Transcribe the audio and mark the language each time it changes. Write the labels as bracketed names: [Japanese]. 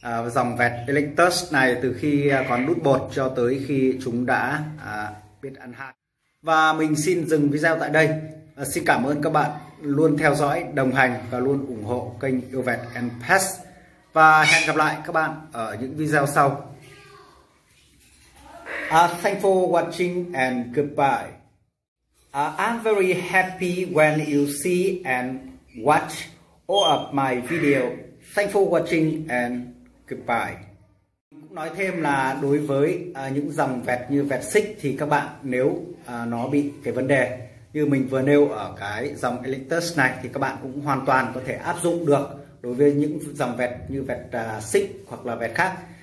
[Vietnamese] dòng vẹt Electus này từ khi còn đút bột cho tới khi chúng đã biết ăn hạt. Và mình xin dừng video tại đây. Xin cảm ơn các bạn luôn theo dõi, đồng hành và luôn ủng hộ kênh Yêu Vẹt and Pets. Và hẹn gặp lại các bạn ở những video sau. [English] Thanks for watching and goodbye. I'm very happy when you see and watch all of my video. Thanks for watching and goodbye. [Vietnamese] Cũng nói thêm là đối với những dòng vẹt như vẹt xích thì các bạn nếu nó bị cái vấn đề như mình vừa nêu ở cái dòng Electus này thì các bạn cũng hoàn toàn có thể áp dụng được đối với những dòng vẹt như vẹt xích hoặc là vẹt khác.